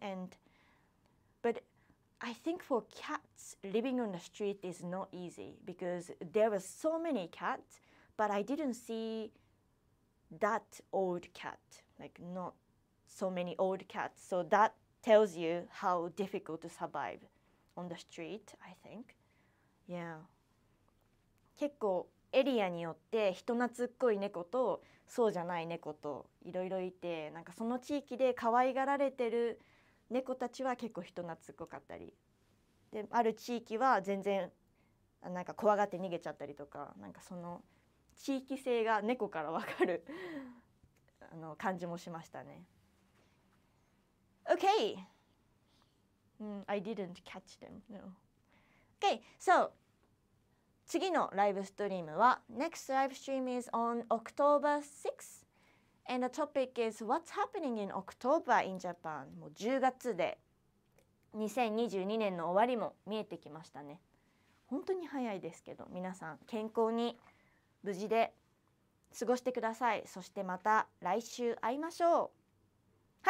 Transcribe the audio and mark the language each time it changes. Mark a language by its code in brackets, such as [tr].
[en] And but I think for cats, living on the street is not easy because there were so many cats, but I didn't see that old cat, like not so many old cats. So that tells you how difficult to survive on the street, I think. Yeah. [ja] 結構エリアによって人懐っこい猫とそうじゃない猫といろいろいて、なんかその地域で可愛がられてる猫たちは結構人懐っこかったり、で、ある地域は全然なんか怖がって逃げちゃったりとか、なんかその地域性が猫からわかるあの感じもしましたね。 [en] Okay、I didn't catch them, no. Okay, so [ja] 次のライブストリームは [en] Next live stream is on October 6th and the topic is What's happening in October in Japan? [ja] もう10月で2022年の終わりも見えてきましたね。本当に早いですけど、皆さん健康に無事で過ごしてください。そしてまた来週会いましょう。